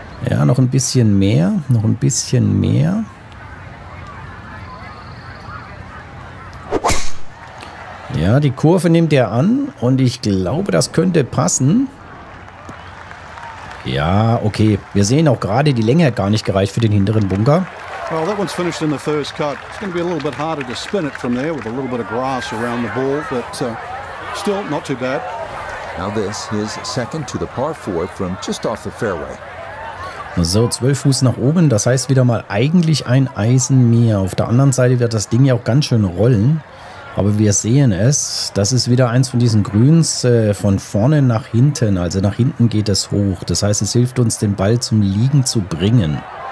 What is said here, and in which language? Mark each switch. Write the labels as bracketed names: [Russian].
[German] Ja, noch ein bisschen mehr, noch ein bisschen mehr. Ja, die Kurve nimmt er an und ich glaube, das könnte passen. Ja, okay. Wir sehen auch gerade, die Länge hat gar nicht gereicht für den hinteren Bunker. [English] Well, that one's finished in the first cut. It's going to be a little bit harder to spin it from there with a little bit of grass around the ball, but still not too bad. Now this is second to the par four from just off the fairway. [German] So, 12 Fuß nach oben, das heißt wieder mal eigentlich ein Eisen mehr. Auf der anderen Seite wird das Ding ja auch ganz schön rollen. Aber wir sehen es, das ist wieder eins von diesen Grüns von vorne nach hinten. Also nach hinten geht es hoch. Das heißt, es hilft uns, den Ball zum Liegen zu bringen.